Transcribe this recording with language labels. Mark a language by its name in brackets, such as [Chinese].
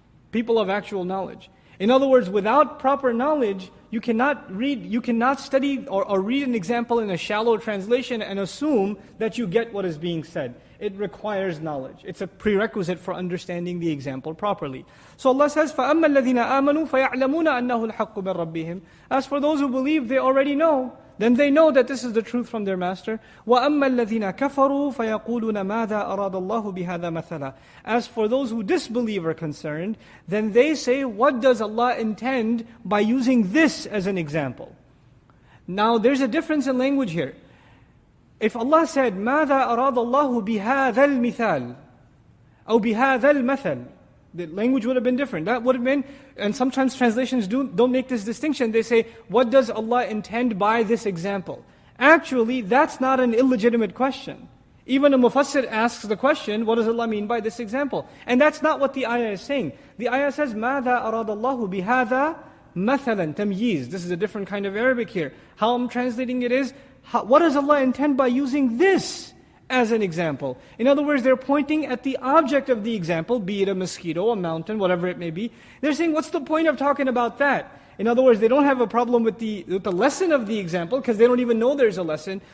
[English] People of actual knowledge. In other words, without proper knowledge, you cannot read, you cannot study or read an example in a shallow translation and assume that you get what is being said. It requires knowledge. It's a prerequisite for understanding the example properly. So Allah says, [Arabic] فَأَمَّا الَّذِينَ آمَنُوا فَيَعْلَمُونَ أَنَّهُ الْحَقُّ مِنْ رَبِّهِمْ. [English] As for those who believe, they already know. Then they know that this is the truth from their master. [Arabic] وَأَمَّا الَّذِينَ كَفَرُوا فَيَقُولُونَ مَاذَا أَرَادَ اللَّهُ بِهَذَا مَثَلًا. [English] As for those who disbelieve are concerned, then they say, what does Allah intend by using this as an example? Now there's a difference in language here. If Allah said, [Arabic] مَاذَا أَرَادَ اللَّهُ بِهَذَا الْمِثَالِ أَوْ بِهَذَا الْمَثَلِ, [English] the language would have been different. That would have been, and sometimes translations don't make this distinction. They say, what does Allah intend by this example? Actually, that's not an illegitimate question. Even a mufassir asks the question, what does Allah mean by this example? And that's not what the ayah is saying. The ayah says, [Arabic] ماذا أراد الله بهذا مثلا تمييز. [English] This is a different kind of Arabic here. How I'm translating it is, what does Allah intend by using this as an example? In other words, they're pointing at the object of the example, be it a mosquito, a mountain, whatever it may be. They're saying, what's the point of talking about that? In other words, they don't have a problem with the lesson of the example, because they don't even know there's a lesson.